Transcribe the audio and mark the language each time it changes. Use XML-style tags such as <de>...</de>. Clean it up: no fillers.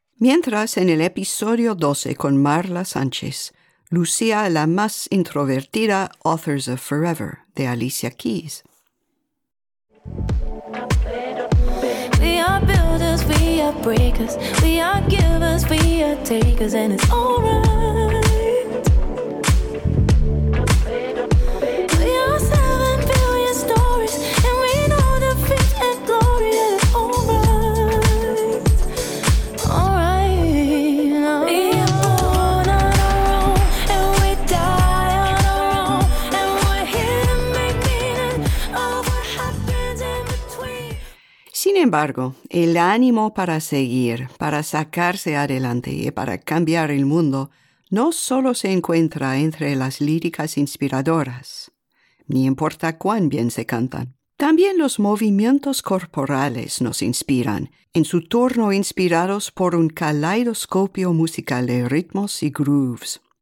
<es>Mientras en el episodio 12 con Marla Sánchez, lucía la más introvertida Authors of Forever, de Alicia Keys.</es> <en>We are breakers, we are givers, we are takers, and it's alright. We are 7 billion stories, and we know defeat and glory, and it's alright. Alright, now. We are born on our own, and we die on our own, and we're here to make meaning of what happens in between.</en> <es>Sin embargo, el ánimo para seguir, para sacarse adelante y para cambiar el mundo no solo se encuentra entre las líricas inspiradoras, ni importa cuán bien se cantan. También los movimientos corporales nos inspiran, en su turno inspirados por un caleidoscopio musical de ritmos y grooves.</es>